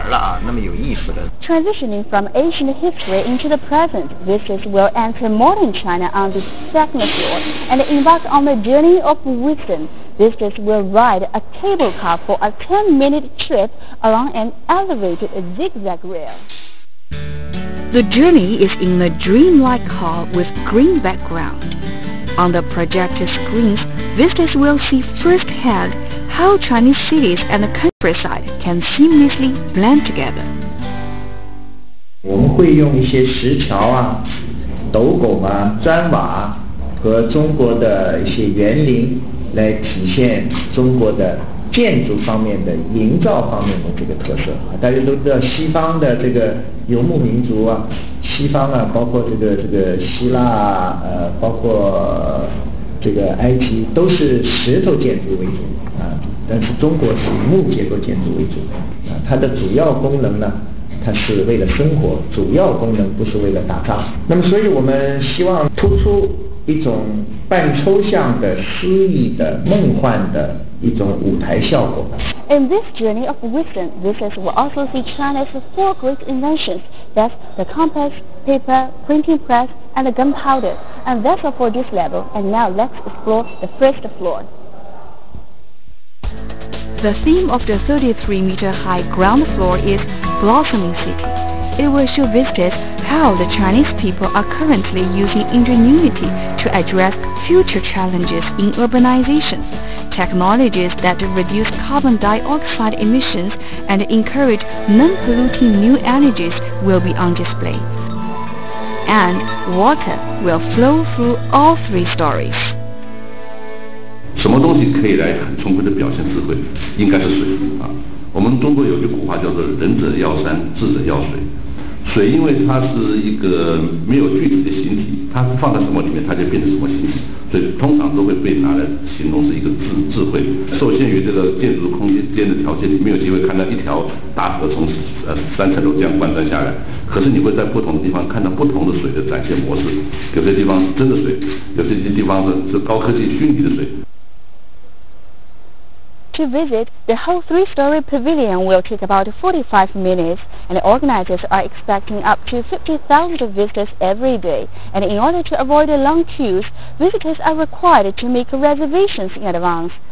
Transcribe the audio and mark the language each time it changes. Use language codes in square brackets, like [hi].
[zh] 当时的汴京是世界上最繁华的城市，就像现在的纽约一样。它其实画的不是最繁华的地区，它是靠近城乡交接处，但是也能够反映出当时的繁华。有很多很多的小人，那么我们会把它做得非常有趣，让大家能够感受到，哎呦，这个一千年前的城市已经那么有好玩了啊，那么有意思了。 [en] Transitioning from ancient history into the present, visitors will enter modern China on the second floor and embark on the journey of wisdom. Visitors will ride a cable car for a 10-minute trip along an elevated zigzag rail. The journey is in the dreamlike hall with green background. On the projector screens, visitors will see firsthand how Chinese cities and the countryside can seamlessly blend together. [zh] 我们会用一些石桥啊、斗拱啊、砖瓦和中国的一些园林来体现中国的建筑方面的营造方面的这个特色。大家都知道西方的这个游牧民族啊，西方啊，包括这个希腊啊，包括这个埃及，都是石头建筑为主啊，但是中国是木结构建筑为主啊。它的主要功能呢，它是为了生活，主要功能不是为了打仗。那么所以我们希望突出一种半抽象的诗意的梦幻的一种舞台效果。 [en] In this journey of wisdom, visitors will also see China's four great inventions, that's the compass, paper, printing press, and the gunpowder, and that's all for this level, and now let's explore the first floor. The theme of the 33-meter-high ground floor is Blossoming City. It will show visitors how the Chinese people are currently using ingenuity to address future challenges in urbanization, technologies that reduce carbon dioxide emissions and encourage non-polluting new energies will be on display. And water will flow through all three stories. [zh] 什么东西可以来很充分地表现智慧？应该是水啊。我们中国有句古话叫做"仁者要山，智者要水"。水因为它是一个没有具体的形体，它放在什么里面，它就变成什么形体，所以通常都会被拿来形容是一个智慧。受限于这个建筑空间的条件，你没有机会看到一条大河从三层楼这样贯穿下来，可是你会在不同的地方看到不同的水的展现模式。有些地方是真的水，有些地方是高科技虚拟的水。 [en] To visit, the whole three-story pavilion will take about 45 minutes, and the organizers are expecting up to 50,000 visitors every day. And in order to avoid long queues, visitors are required to make reservations in advance.